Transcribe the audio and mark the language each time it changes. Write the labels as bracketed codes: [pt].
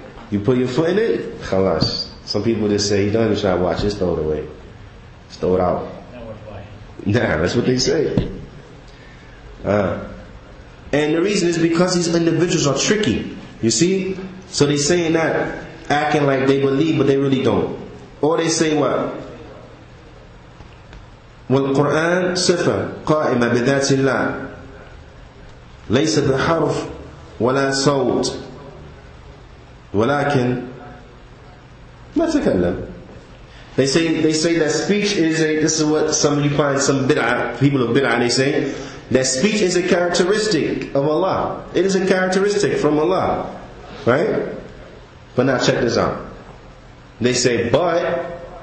[en] You put your foot in it, khalas. Some people just say, you don't even try to watch, just throw it away. Just throw it out. Nah, that's what they say. And the reason is because these individuals are tricky. You see? So they saying that, acting like they believe, but they really don't. Or they say what? [ar] والقرآن صفة قائمة بذات الله ليس بحرف ولا صوت ولكن ما تكلم. [en] They say that speech is a, this is what some of you find, some bid'ah, people of bid'ah, they say that speech is a characteristic of Allah. It is a characteristic from Allah, right? But now check this out. They say, but